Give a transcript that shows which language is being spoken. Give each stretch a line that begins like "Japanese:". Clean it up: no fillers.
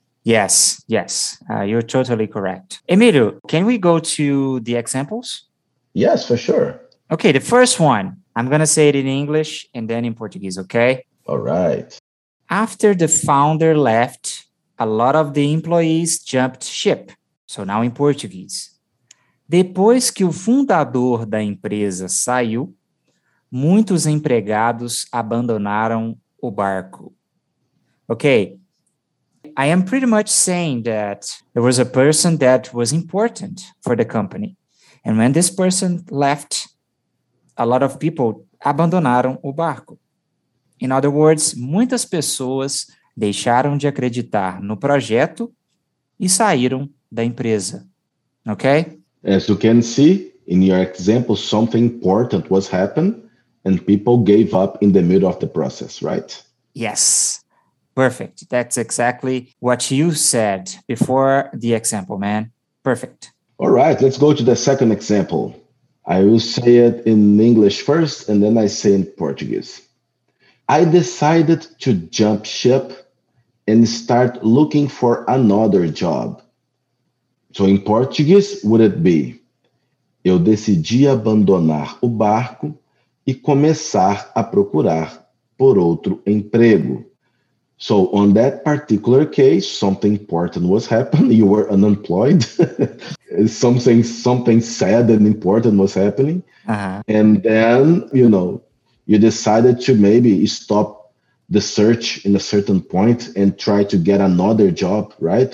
English: Yes, you're totally correct. Emilio, can we go to the examples? Yes, for sure. Okay, the first one, I'm going to say it in English and then in Portuguese, okay? All right. After the founder left, a lot of the employees jumped ship. So now in Portuguese.
Portuguese: Depois que o fundador da empresa saiu, muitos empregados abandonaram o barco.
English: Okay. I am pretty much saying that there was a person that was important for the company. And when this person left, a lot of people
Portuguese: abandonaram o barco.
English: In other words,
Portuguese: muitas pessoas deixaram de acreditar no projeto e saíram da empresa.
English: Okay? As you can see, in your example, something important was happened and people gave up in the middle of the process, right? Yes. Perfect. That's exactly what you said before the example, man. Perfect. All right. Let's go to the second example. I will say it in English first and then I say in Portuguese. I decided to jump ship and start looking for another job. So in Portuguese, would it be?
Portuguese: Eu decidi abandonar o barco e começar a procurar por outro emprego.
English: So on that particular case, something important was happening. You were unemployed. something sad and important was happening. Uh-huh. And then, you know, you decided to maybe stop the search in a certain point and try to get another job, right?